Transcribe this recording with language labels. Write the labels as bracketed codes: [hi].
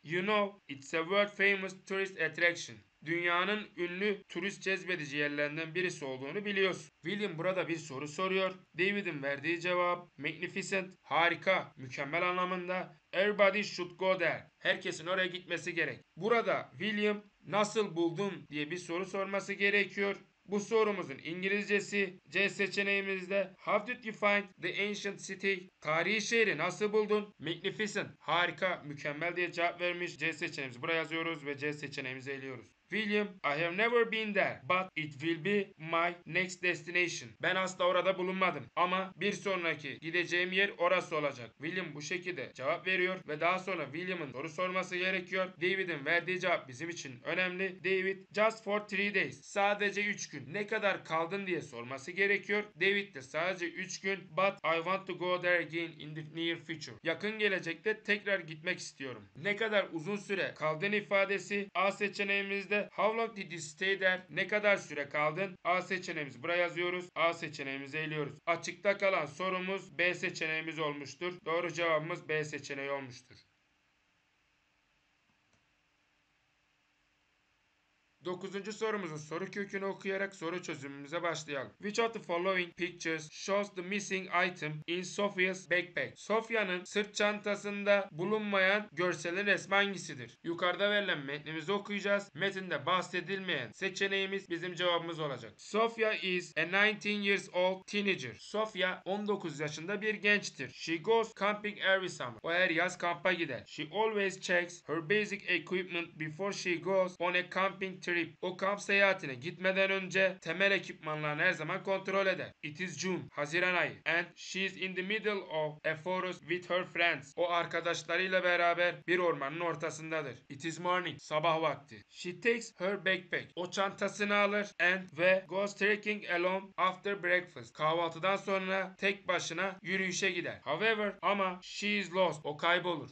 [en] You know, it's a world famous tourist attraction. [tr] Dünyanın ünlü turist cezbedici yerlerinden birisi olduğunu biliyorsun. William burada bir soru soruyor. David'in verdiği cevap magnificent, harika, mükemmel anlamında. [en] Everybody should go there. [tr] Herkesin oraya gitmesi gerek. Burada William nasıl buldun diye bir soru sorması gerekiyor. Bu sorumuzun İngilizcesi C seçeneğimizde [en] How did you find the ancient city? [tr] Tarihi şehri nasıl buldun? Magnificent, harika, mükemmel diye cevap vermiş. C seçeneğimizi buraya yazıyoruz ve C seçeneğimizi eliyoruz. [en] William, I have never been there, but it will be my next destination. [tr] Ben asla orada bulunmadım ama bir sonraki gideceğim yer orası olacak. William bu şekilde cevap veriyor ve daha sonra William'ın soru sorması gerekiyor. David'in verdiği cevap bizim için önemli. David, [en] just for 3 days. [tr] Sadece 3 gün. Ne kadar kaldın diye sorması gerekiyor. David de sadece 3 gün, [en] but I want to go there again in the near future. [tr] Yakın gelecekte tekrar gitmek istiyorum. Ne kadar uzun süre kaldın ifadesi A seçeneğimiz. [en] How long did you stay there? [tr] Ne kadar süre kaldın? A seçeneğimizi buraya yazıyoruz. A seçeneğimizi eliyoruz. Açıkta kalan sorumuz B seçeneğimiz olmuştur. Doğru cevabımız B seçeneği olmuştur. 9. sorumuzun soru kökünü okuyarak soru çözümümüze başlayalım. [en] Which of the following pictures shows the missing item in Sophia's backpack? [tr] Sophia'nın sırt çantasında bulunmayan görselin resmi hangisidir? Yukarıda verilen metnimizi okuyacağız. Metinde bahsedilmeyen seçeneğimiz bizim cevabımız olacak. [en] Sophia is a 19 years old teenager. [tr] Sophia 19 yaşında bir gençtir. [en] She goes camping every summer. [tr] O her yaz kampa gider. [en] She always checks her basic equipment before she goes on a camping trip. trip. [tr] O kamp seyahatine gitmeden önce temel ekipmanlarını her zaman kontrol eder. [en] It is June, [tr] Haziran ayı. [en] And she is in the middle of a forest with her friends. [tr] O arkadaşlarıyla beraber bir ormanın ortasındadır. [en] It is morning, [tr] sabah vakti. [en] She takes her backpack. [tr] O çantasını alır [en] and [tr] ve [en] goes trekking alone after breakfast. [tr] Kahvaltıdan sonra tek başına yürüyüşe gider. [en] However, [tr] ama [en] she is lost. [tr] O kaybolur.